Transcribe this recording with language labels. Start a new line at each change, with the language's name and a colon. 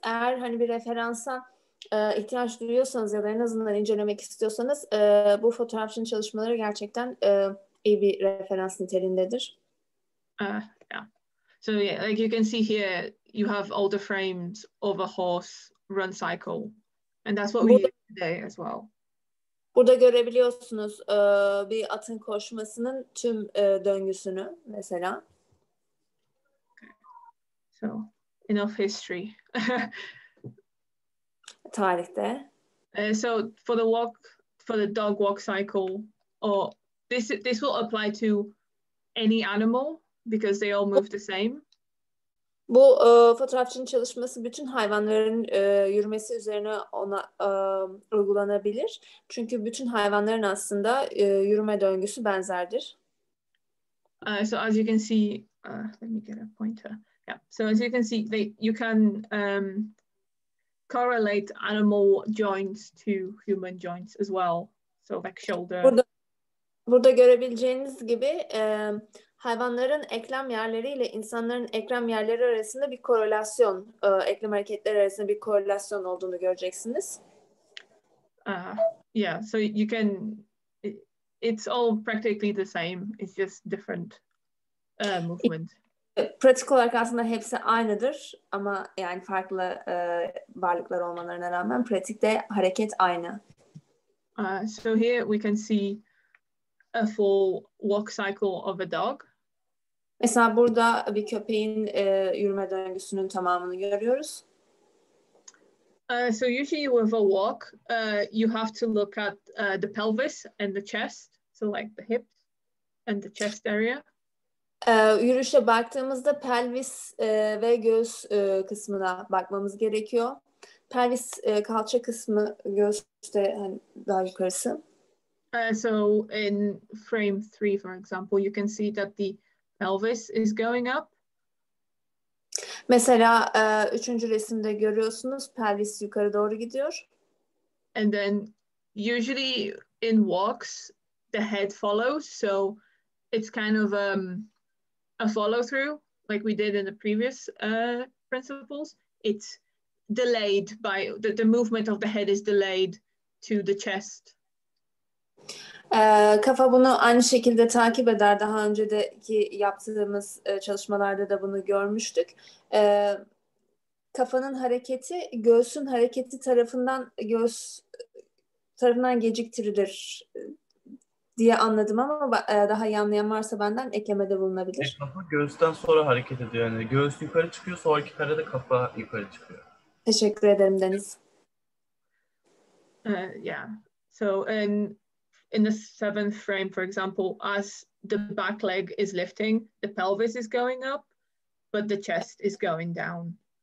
Turkish: Eğer hani bir referansa ihtiyaç duyuyorsanız ya da en azından incelemek istiyorsanız, bu fotoğrafçının çalışmaları gerçekten iyi bir referans niteliğindedir.
English: So yeah, like you can see here, you have all the frames of a horse run cycle. And that's what we use today as well.
Turkish: Burada görebiliyorsunuz bir atın koşmasının tüm döngüsünü mesela.
English: So enough history.
Turkish: Tarihte.
English: So for the walk, for the dog walk cycle, or this will apply to any animal because they all move the same.
Turkish: Bu fotoğrafçının çalışması bütün hayvanların yürümesi üzerine ona uygulanabilir. Çünkü bütün hayvanların aslında yürüme döngüsü benzerdir.
English: So as you can see, let me get a pointer. Yeah. So as you can see, you can correlate animal joints to human joints as well. So like shoulder.
Turkish: Burada görebileceğiniz gibi hayvanların eklem yerleriyle insanların eklem yerleri arasında bir korelasyon, eklem hareketleri arasında bir korelasyon olduğunu göreceksiniz.
English: Yeah, so you can, it's all practically the same, it's just different movement.
Turkish: Pratik olarak aslında hepsi aynıdır ama yani farklı varlıklar olmalarına rağmen pratikte hareket aynı.
English: So here we can see a full walk cycle of a dog.
Turkish: Mesela burada bir köpeğin yürüme döngüsünün tamamını görüyoruz.
English: So usually with a walk, you have to look at the pelvis and the chest, so like the hips and the chest area.
Turkish: Yürüyüşe baktığımızda pelvis ve göğüs kısmına bakmamız gerekiyor. Pelvis kalça kısmı göğüste hani daha yukarısı.
English: So in frame 3, for example, you can see that the pelvis is going up.
Turkish: Mesela üçüncü resimde görüyorsunuz pelvis yukarı doğru gidiyor.
English: And then usually in walks the head follows, so it's kind of a follow through like we did in the previous principles. It's delayed by the movement of the head is delayed to the chest.
Turkish: Kafa bunu aynı şekilde takip eder. Daha önceki yaptığımız çalışmalarda da bunu görmüştük. Kafanın hareketi göğsün hareketi tarafından göğüs tarafından geciktirilir diye anladım ama daha iyi anlayan varsa benden eklemede bulunabilir. Kafa göğüsten sonra hareket ediyor. Yani göğüs yukarı çıkıyor, sonraki kare de kafa yukarı çıkıyor. Teşekkür ederim Deniz.
English: In the seventh frame, for example, as the back leg is lifting, the pelvis is going up, but the chest is going down.